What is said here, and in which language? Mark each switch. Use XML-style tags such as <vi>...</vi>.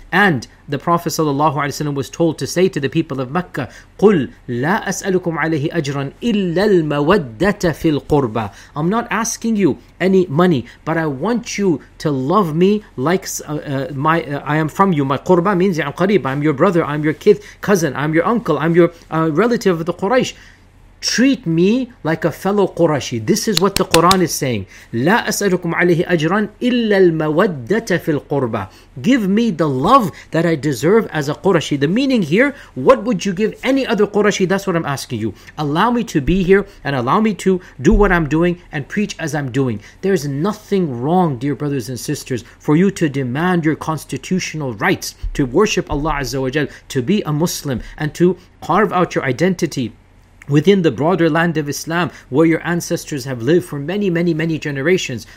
<en>And the Prophet sallallahu alaihi wasallam was told to say to the people of Mecca,</en> <ar>قُلْ لَا أَسْأَلُكُمْ عَلَيْهِ أَجْرًا إِلَّا الْمَوَدَّةَ فِي الْقُرْبَى.</ar> <en>I'm not asking you any money, but I want you to love me like I am from you. My qurba means I'm qareeb, I'm your brother, I'm your kith, cousin, I'm your uncle, I'm your relative of the Quraysh. Treat me like a fellow Qurashi. This is what the Quran is saying.</en> <ar>لا أسألكم عليه أجرا إلا المودة في القربة.</ar> <en>Give me the love that I deserve as a Qurashi. The meaning here, what would you give any other Qurashi? That's what I'm asking you. Allow me to be here and allow me to do what I'm doing and preach as I'm doing. There's nothing wrong, dear brothers and sisters, for you to demand your constitutional rights to worship Allah Azza wa Jal, to be a Muslim and to carve out your identity within the broader land of Islam, where your ancestors have lived for many, many, many generations.</en>